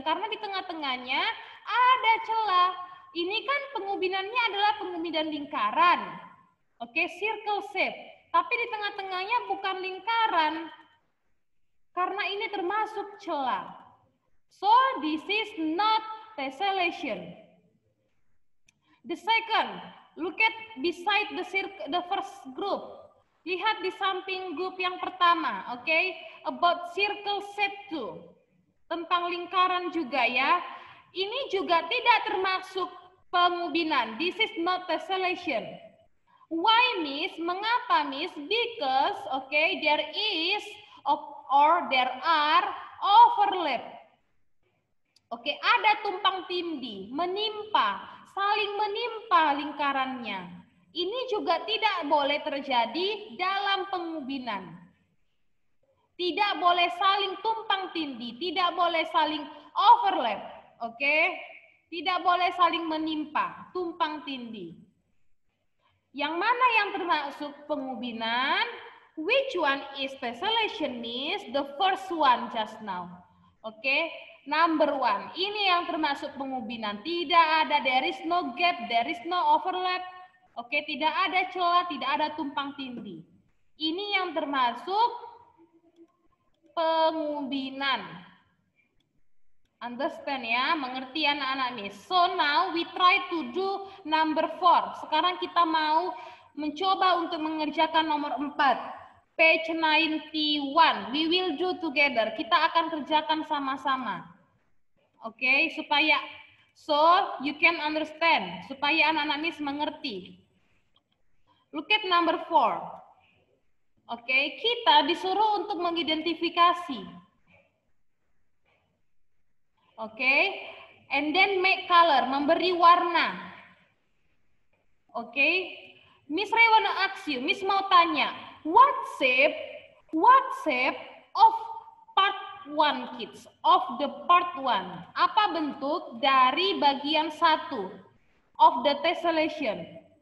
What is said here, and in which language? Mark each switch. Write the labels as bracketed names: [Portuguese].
[Indonesian] Karena di tengah-tengahnya ada celah. Ini kan pengubinannya adalah pengubinan lingkaran. Oke, okay? [English] Circle shape. [Indonesian] Tapi di tengah-tengahnya bukan lingkaran. Karena ini termasuk celah. [English] So, this is not tessellation. The second, look at beside the circle, the first group. [Indonesian] Lihat di samping grup yang pertama, okay? [English] About circle set too. [Indonesian] Tentang lingkaran juga ya. Ini juga tidak termasuk pengubinan. [English] This is not tessellation. Why, Miss? [Indonesian] Mengapa, Miss? [English] Because, okay, there is or there are overlap. [Indonesian] Oke, okay, ada tumpang tindih, menimpa, saling menimpa lingkarannya. Ini juga tidak boleh terjadi dalam pengubinan. Tidak boleh saling tumpang tindih, tidak boleh saling overlap. Oke, okay? Tidak boleh saling menimpa, tumpang tindih. Yang mana yang termasuk pengubinan? [English] Which one is tessellation, Miss? The first one just now. Oke. Okay? Number one, [Indonesian] ini yang termasuk pengubinan. Tidak ada, [English] there is no gap, there is no overlap. [Indonesian] Oke, okay, tidak ada celah, tidak ada tumpang tindih. Ini yang termasuk pengubinan. [English] Understand ya, [Indonesian] mengerti anak-anak ini. [English] So now we try to do number four. [Indonesian] Sekarang kita mau mencoba untuk mengerjakan nomor empat. [English] Page 91, we will do together. [Indonesian] Kita akan kerjakan sama-sama. Oke, okay, supaya [English] so you can understand, [Indonesian] supaya anak-anak Miss mengerti. [English] Look at number four. Oke, okay, [Indonesian] kita disuruh untuk mengidentifikasi. [English] Oke, okay, and then make color, [Indonesian] memberi warna. [English] Oke, okay, Miss Ray wanna ask you, [Indonesian] Miss mau tanya, [English] what shape of part one, kids, of the part one. [Indonesian] Apa bentuk dari bagian satu [English] of the tessellation?